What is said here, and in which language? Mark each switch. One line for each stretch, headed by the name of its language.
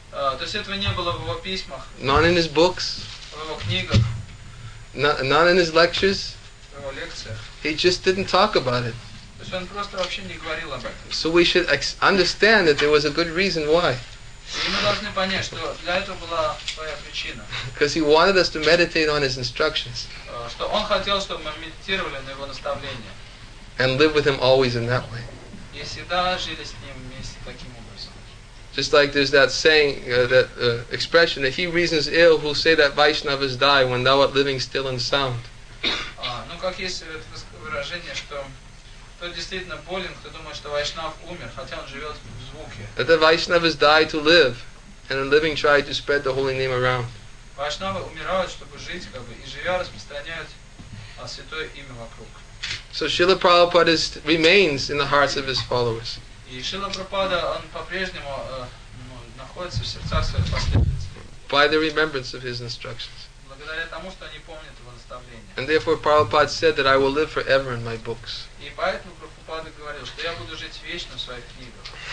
Russian: То есть этого не было в его письмах.
English: Not in his books.
Russian: В его книгах.
English: Not in his lectures.
Russian: В его лекциях.
English: He just didn't talk about it.
Russian: То есть он просто вообще не говорил об этом.
English: So we should understand that there was a good reason why.
Russian: И мы должны понять, что для этого была своя причина.
English: Because he wanted us to meditate on his instructions.
Russian: Что он хотел, чтобы мы медитировали на его наставления.
English: And live with him always in that way.
Russian: И всегда жили с ним вместе таким образом.
English: Just like there's that saying, that expression, that he reasons ill who say that Vaishnavas die when thou art living still and sound.
Russian: Ну как есть это выражение, что тот действительно болен, кто думает, что Вайшнав умер, хотя он живет в звуке.
English: That the Vaishnavas die to live, and in living try to spread the holy name around.
Russian: Вайшнавы умирают, чтобы жить, как бы, и живя распространяют святое имя вокруг.
English: So Śrīla Prabhupāda remains in the hearts of his followers.
Russian: И Śrīla Prabhupāda, он по-прежнему находится в сердцах своих последователей.
English: By the remembrance of his instructions.
Russian: Благодаря тому, что они помнят его наставления.
English: And therefore Prabhupāda said that I will live forever in my books.
Russian: И поэтому Прабхупада говорил, что я буду жить вечно в своих книгах.